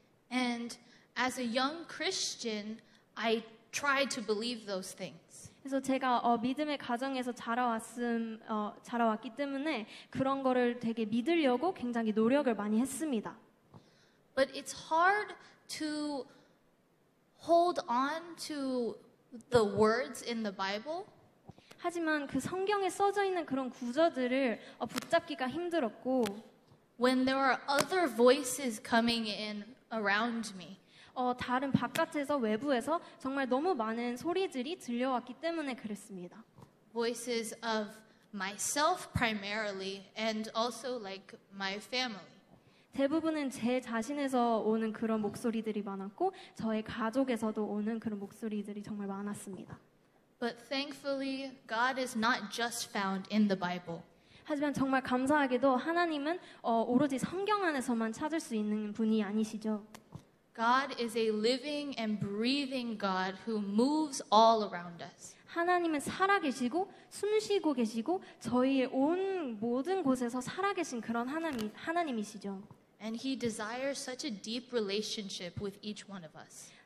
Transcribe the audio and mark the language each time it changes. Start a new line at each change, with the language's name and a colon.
English: And as a young Christian, I tried to believe those things.
Korean: 그래서 제가 믿음의 가정에서 자라왔기 때문에 그런 거를 되게 믿으려고 굉장히 노력을 많이 했습니다.
English: But it's hard to hold on to the words in the Bible.
Korean: 하지만 그 성경에 써져 있는 그런 구절들을 붙잡기가 힘들었고
English: when there are other voices coming in around me.
Korean: 다른 바깥에서 외부에서 정말 너무 많은 소리들이 들려왔기 때문에 그랬습니다.
English: Voices of myself primarily and also like my family.
Korean: 대부분은 제 자신에서 오는 그런 목소리들이 많았고 저의 가족에서도 오는 그런 목소리들이 정말 많았습니다.
English: But thankfully God is not just found in the Bible.
Korean: 하지만 정말 감사하게도 하나님은 오로지 성경 안에서만 찾을 수 있는 분이 아니시죠.
English: God is a living and breathing God who moves all around us.
Korean: 하나님은 살아계시고 숨쉬고 계시고 저희의 온 모든 곳에서 살아계신 그런 하나님이시죠.
English: And He desires such a deep relationship with each one of us.